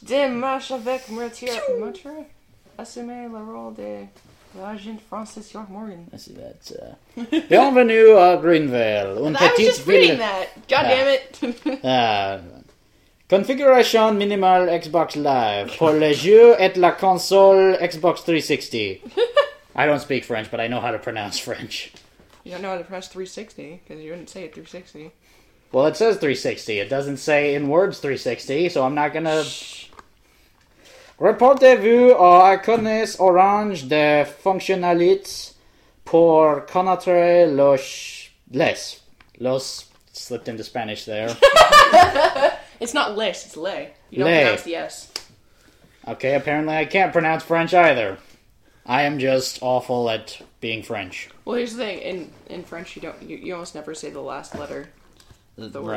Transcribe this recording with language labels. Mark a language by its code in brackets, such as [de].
[fr] Démarche avec Monsieur assumez le rôle de l'agent Francis York Morgan. [en] I see that. [fr] Bienvenue à Greenville, un petit village. [en] I was just reading that. God damn it. [fr] Configuration minimale Xbox Live pour le jeu et la console Xbox 360. [en] I don't speak French, but I know how to pronounce French. You don't know how to press 360, because you wouldn't say it 360. Well, it says 360. It doesn't say in words 360, so I'm not gonna... [fr] Reportez-vous à icônes orange de fonctionnalités pour connaître le Les. [en] Los slipped into Spanish there. It's not les, it's le. You don't le. Pronounce the S. Okay, apparently I can't pronounce French either. I am just awful at being French. Well, here's the thing. In French, you don't you almost never say the last letter of the words.